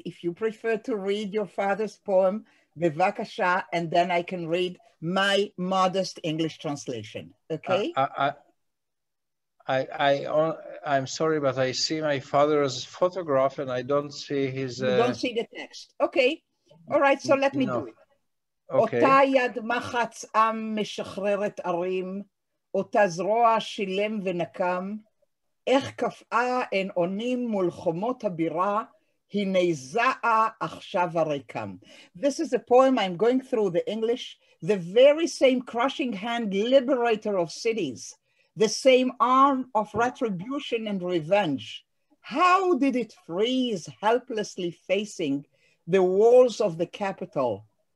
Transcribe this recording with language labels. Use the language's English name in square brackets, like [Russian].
[English] If you prefer to read your father's poem, Bevakasha, and then I can read my modest English translation. Okay? I'm sorry, but I see my father's photograph and I don't see his... You don't see the text. Okay. All right. So let me do it. [Hebrew] אותה יד מחץ עם משחררת ערים, אותה זרוע שילם ונקם, איך קפאה אין עונים מול חומות הבירה, הנה זעה עכשיו הריקם. [English] This is a poem I'm going through the English, the very same crushing hand liberator of cities, the same arm of retribution and revenge. How did it freeze helplessly facing the walls of the capital?